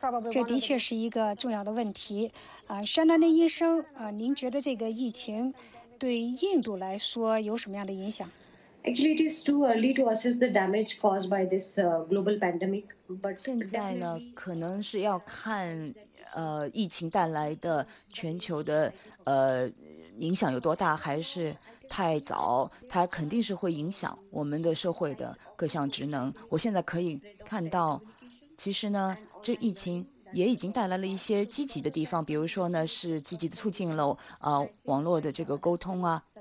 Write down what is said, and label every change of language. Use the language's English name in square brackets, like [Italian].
[Chinese] 这的确是一个重要的问题。山南的医生，您觉得这个疫情对印度来说有什么样的影响？ [English] Actually, it is too early to assess the damage caused by this global pandemic. But [Chinese] 现在呢，可能是要看疫情带来的全球的影响有多大，还是太早。它肯定是会影响我们的社会的各项职能。我现在可以看到，其实呢，这疫情也已经带来了一些积极的地方，比如说呢，是积极的促进了网络的这个沟通啊。